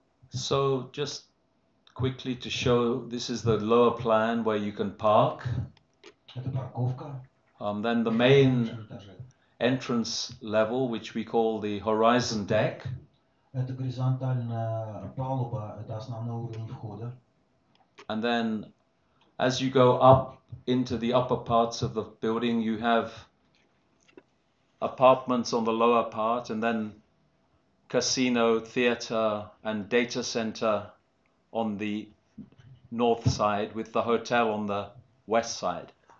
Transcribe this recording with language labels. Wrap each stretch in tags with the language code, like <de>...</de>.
<en>So, just quickly to show, this is the lower plan where you can park.</en> <ru>Это парковка.</ru> <en>Then the main entrance level, which we call the horizon deck.</en> <ru>Это горизонтальная палуба, это основной уровень входа.</ru> <en>And then, as you go up into the upper parts of the building, you have apartments on the lower part, and then casino, theater, and data center on the north side, with the hotel on the west side.</en>